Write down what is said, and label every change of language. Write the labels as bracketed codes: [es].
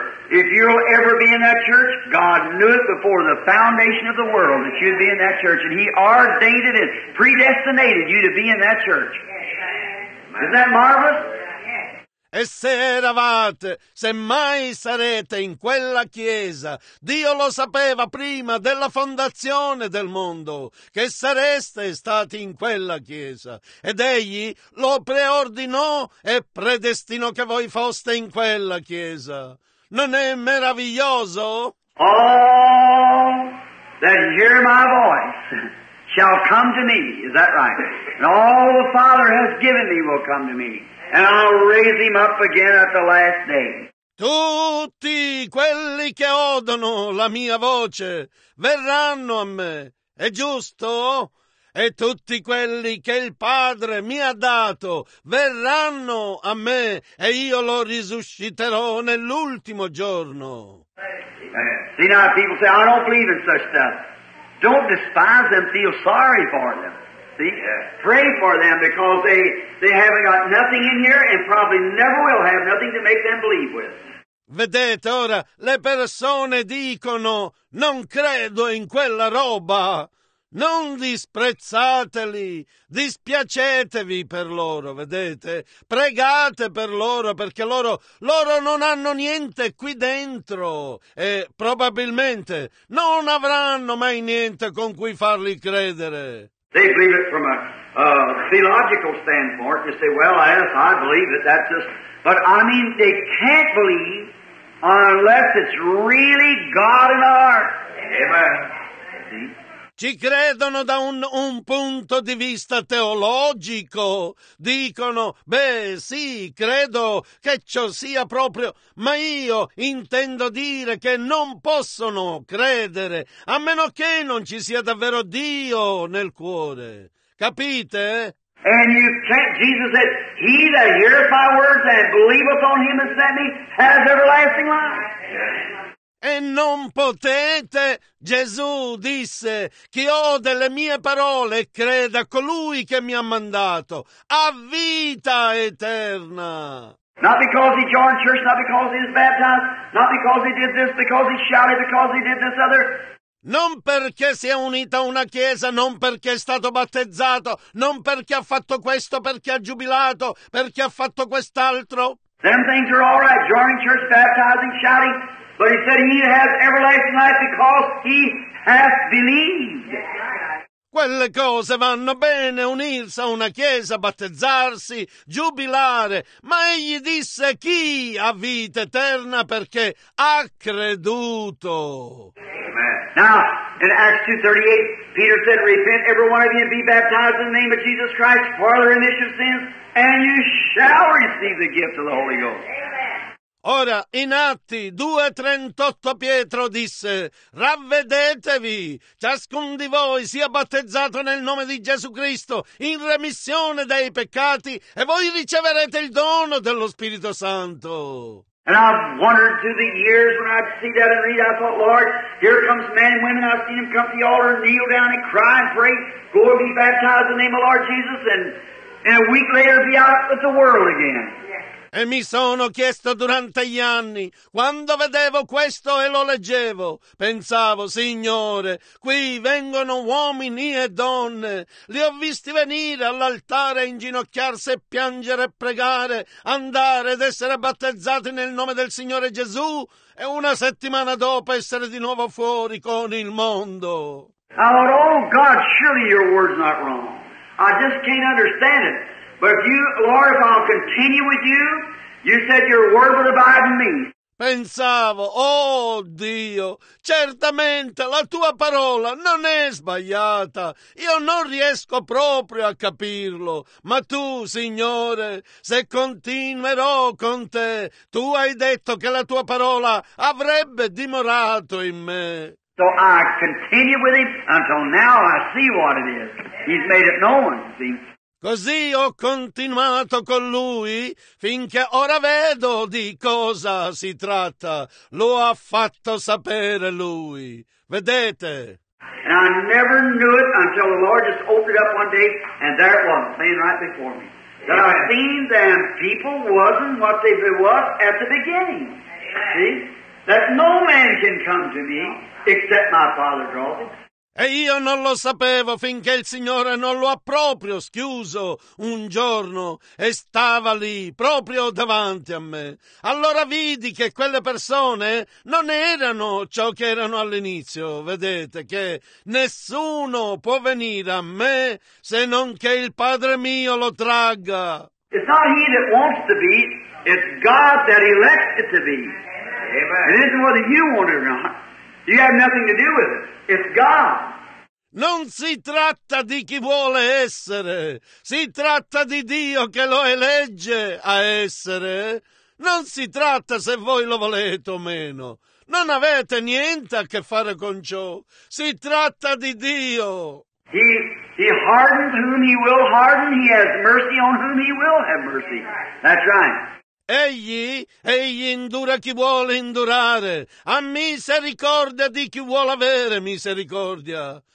[en] If you'll ever be in that church, God knew it before the foundation of the world that you'd be in that church. And He ordained it, predestinated you to be in that church. Isn't that marvelous? [it] E se eravate, se mai sarete in quella chiesa, Dio lo sapeva prima della fondazione del mondo, che sareste stati in quella chiesa. Ed Egli lo preordinò e predestinò che voi foste in quella chiesa. Non è meraviglioso? [en] All that hear my voice shall come to me. Is that right? And all the Father has given me will come to me. And I'll raise him up again at the last day. [it] Tutti quelli che odono la mia voce verranno a me. È giusto? E tutti quelli che il Padre mi ha dato verranno a me e io lo risusciterò nell'ultimo giorno. [en] See now, people say, I don't believe in such stuff. Don't despise them, feel sorry for them. See? Pray for them because they haven't got nothing in here and probably never will have nothing to make them believe with. [it] Vedete, ora le persone dicono, non credo in quella roba. Non disprezzateli, dispiacetevi per loro, vedete? Pregate per loro, perché loro non hanno niente qui dentro e probabilmente non avranno mai niente con cui farli credere. [en] They believe it from a theological standpoint. They say, well, yes, I believe it, that's just... But I mean, they can't believe unless it's really God in our... Amen. [it] Ci credono da un punto di vista teologico. Dicono, beh, sì, credo che ciò sia proprio, ma io intendo dire che non possono credere, a meno che non ci sia davvero Dio nel cuore. Capite? [en] And you can't, Jesus said, he that heareth my words and believeth on him that sent me has everlasting life. [it] E non potete, Gesù disse, chi ode le mie parole e creda colui che mi ha mandato, a vita eterna. [en] Not because he joined church, not because he is baptized, not because he did this, because he shouted, because he did this other. [it] Non perché si è unito a una chiesa, non perché è stato battezzato, non perché ha fatto questo, perché ha giubilato, perché ha fatto quest'altro. [en] Them things are all right, joining church, baptizing, shouting. But he said he has everlasting life because he has believed. [it] Quelle cose vanno bene, unirsi a una chiesa, battezzarsi, giubilare. Ma egli disse chi ha vita eterna perché ha creduto. [en] Amen. Now, in Acts 2:38, Peter said, repent every one of you and be baptized in the name of Jesus Christ for the remission of sins, and you shall receive the gift of the Holy Ghost. Amen. [it] Ora, in Atti 2:38 Pietro disse, ravvedetevi, ciascun di voi sia battezzato nel nome di Gesù Cristo in remissione dei peccati e voi riceverete il dono dello Spirito Santo. [en] And I've wondered through the years when I'd see that and read, I thought, Lord, here comes men and women. I've seen them come to the altar and kneel down and cry and pray, go and be baptized in the name of Lord Jesus, and a week later be out with the world again. [it] E mi sono chiesto durante gli anni, quando vedevo questo e lo leggevo, pensavo, Signore, qui vengono uomini e donne, li ho visti venire all'altare, inginocchiarsi e piangere e pregare, andare ed essere battezzati nel nome del Signore Gesù, e una settimana dopo essere di nuovo fuori con il mondo. [en] Oh God, surely your word's not wrong. I just can't understand it. But if you, Lord, if I'll continue with you, you said your word would abide in me. [it] Pensavo, oh Dio, certamente la tua parola non è sbagliata. Io non riesco proprio a capirlo. Ma tu, Signore, se continuerò con te, tu hai detto che la tua parola avrebbe dimorato in me. [en] So I continue with him until now I see what it is. He's made it known, see. [it] Così ho continuato con lui finché ora vedo di cosa si tratta. Lo ha fatto sapere lui. Vedete? [en] And I never knew it until the Lord just opened it up one day and there it was, laying right before me. That I've seen them people wasn't what they was at the beginning. See? That no man can come to me except my Father draws him. [it] E io non lo sapevo finché il Signore non lo ha proprio schiuso un giorno e stava lì, proprio davanti a me. Allora vidi che quelle persone non erano ciò che erano all'inizio. Vedete che nessuno può venire a me se non che il Padre mio lo tragga. [en] It's not he that wants to be, it's God that elects it to be. Amen. It isn't whether you want it or not. You have nothing to do with it. It's God. [it] Non si tratta di chi vuole essere. Si tratta di Dio che lo elegge a essere. Non si tratta se voi lo volete o meno. Non avete niente a che fare con ciò. Si tratta di Dio. [en] He hardens whom he will harden. He has mercy on whom he will have mercy. That's right. [it] Egli indura chi vuole indurare, ha misericordia di chi vuole avere misericordia.